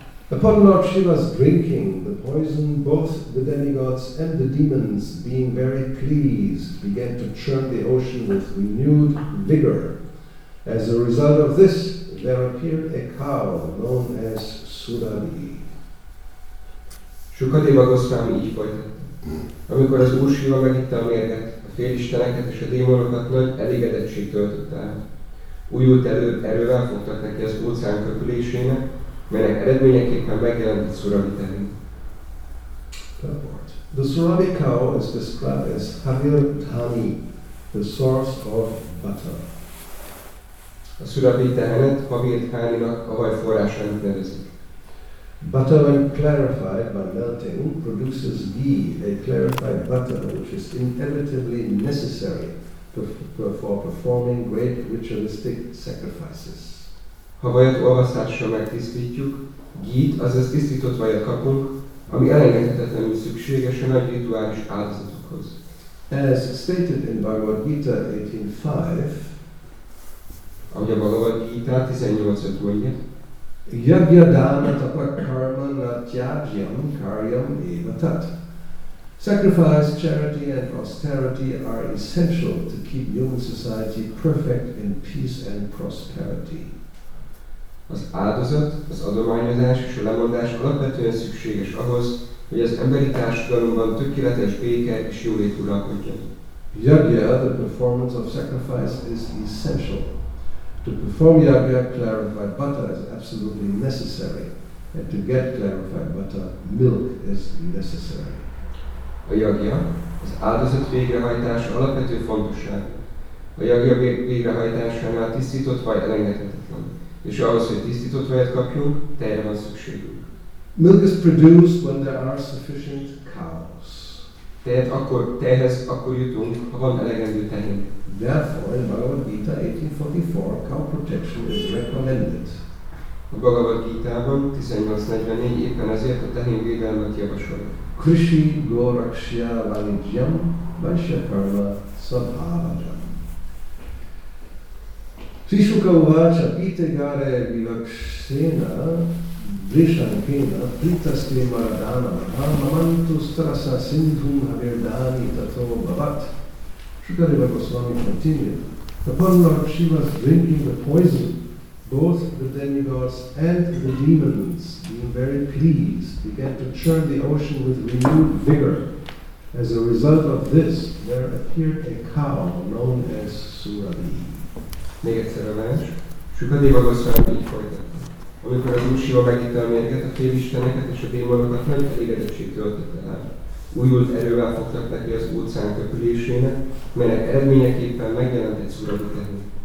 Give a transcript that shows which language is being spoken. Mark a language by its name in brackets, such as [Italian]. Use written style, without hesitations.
[English] Upon Lord Shiva's drinking the poison, both the demigods and the demons, being very pleased, began to churn the ocean with renewed vigor. As a result of this, there appeared a cow known as Surabhi. [Hungarian] Shukadeva Goswami így folytatta. Amikor az Úr Shiva megitta a mérget, félisteneket és a démonokat nagy elégedettség töltött el. Újult erővel fogtak neki az óceán köpülésének, melynek eredményeképpen megjelent a Surabhi tehén. [English] The Surabhi cow is described as Havirdhani, the source of butter. [Hungarian] A Surabhi tehenet Havirdhaninak a haj forrásának nevezik. [English] Butter, when clarified by melting, produces ghee, a clarified butter which is imperatively necessary for performing great ritualistic sacrifices. [Hungarian] Ha vajat olvasztással megtisztítjuk, ghee-t, azaz tisztított vajat kapunk, ami elengedhetetlenül szükséges a nagy rituális áldozatokhoz. [English] As stated in Bhagavad Gita 18.5, [Hungarian] ahogy a Bhagavad Gita 18.5 mondja, [Sanskrit] Yagya dana tapak karma natyajyam karyam eva tat. [English] Sacrifice, charity and austerity are essential to keep human society perfect in peace and prosperity. [Hungarian] Az áldozat, az adományozás és a lemondás alapvetően szükséges ahhoz, hogy az emberi társadalomban tökéletes béke és jólét uralkodjon. [English] Yagya, the performance of sacrifice, is essential. To perform yagya, clarified butter is absolutely necessary, and to get clarified butter, milk is necessary. [Hungarian] A yagya, az áldozat végrehajtás alapvető fontosság. A yagya végrehajtásánál tisztított vaj elengedhetetlen, és ahhoz, hogy tisztított vajat kapjunk, tejre van szükségünk. [English] Milk is produced when there are sufficient cows. [Hungarian] Tejhez akkor jutunk, ha van elegendő tehén. [English] Therefore, in Bhagavad Gita 18.44, cow protection is recommended. [Hungarian] A Bhagavad Gita-ban 18.44 éppen ezért a tehén védelmet javasol. [Sanskrit] Krishi go rakshya vanijyam vaishya karma sabhavajam. Trishuka uvacha pite gare vivakshena vrishankena pritaste maradana mamantus trasa sindhum haverdani tato bhavat. [English] Shukadeva Goswami continued, upon Lord Shiva's drinking the poison, both the demigods and the demons, being very pleased, began to churn the ocean with renewed vigor. As a result of this, there appeared a cow known as Surabhi. [Hungarian] Még egyszer a vers. Shukadeva Goswami így folytatta. Amikor az Úr Shiva megitta a mérget, a félisteneket és a démonokat nagy elégedettség töltött el. Újult erővel fogtak neki az óceán köpülésének, melynek eredményeképpen megjelent egy Surabhi tehén.